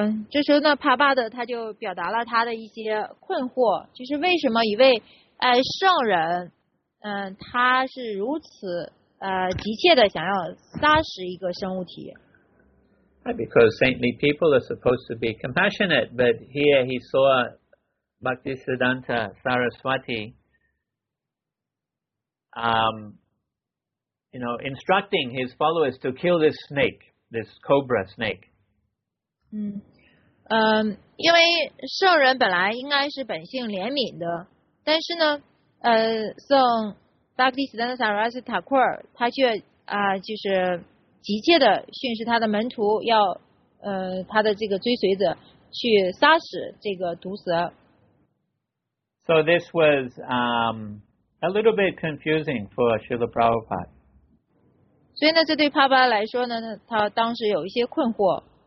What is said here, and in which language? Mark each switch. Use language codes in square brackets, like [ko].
[zh] 这时候呢，帕巴德他就表达了他的一些困惑，就是为什么一位圣人，他是如此急切的想要杀死一个生物体。 [en] Because saintly people are supposed to be compassionate, but here he saw Bhaktisiddhanta Saraswati, you know, instructing his followers to kill this snake, this cobra snake. [zh] 因为圣人本来应该是本性怜悯的，但是呢，圣巴克蒂斯丹萨拉斯塔库尔他却就是急切的训斥他的门徒要他的这个追随者去杀死这个毒蛇。 [en] So this was a little bit confusing for Srila Prabhupada. [zh] 所以呢，这对帕巴来说呢，他当时有一些困惑。